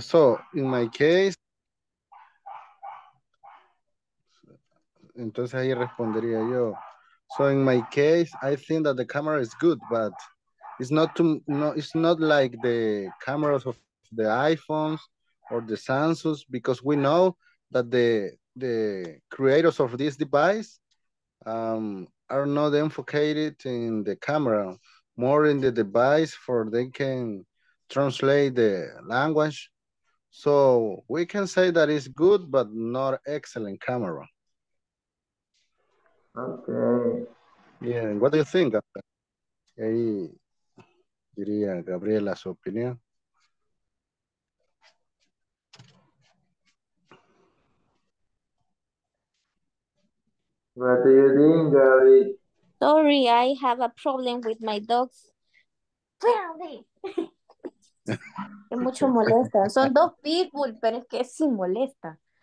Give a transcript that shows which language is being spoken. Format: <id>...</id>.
<en>So in my case,</en> <es>entonces ahí respondería yo.</es> <en>So in my case, I think that the camera is good, but it's not too, no, it's not like the cameras of the iPhones or the Samsungs, because we know that the creators of this device are not enfocated in the camera, more in the device for they can translate the language. So we can say that it's good, but not excellent camera. Okay. Yeah, and what do you think? Hey,</en> <es>diría Gabriela, su opinión.</es> <en>What do you think, Gabby? Sorry, I have a problem with my dogs.</en> <es>Es mucho molesta. Son dos pitbull, pero es que sí molesta.</es>